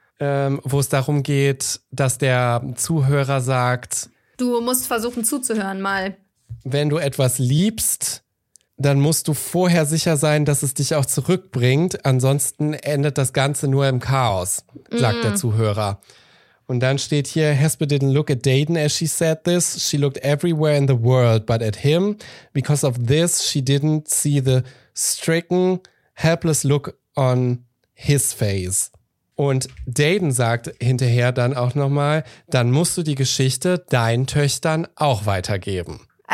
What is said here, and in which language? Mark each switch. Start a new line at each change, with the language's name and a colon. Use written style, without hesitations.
German: wo es darum geht, dass der Zuhörer sagt, du musst versuchen zuzuhören mal. Wenn du etwas liebst, dann musst du vorher sicher sein, dass es dich auch zurückbringt. Ansonsten endet das Ganze nur im Chaos, sagt der Zuhörer. Und dann steht hier,
English: Hesper didn't look at Dayton as she said this. She looked everywhere in the world but at him. Because of this, she didn't see the stricken, helpless look on his face.
German: Und Dayton sagt hinterher dann auch nochmal, dann musst du die Geschichte deinen Töchtern auch weitergeben.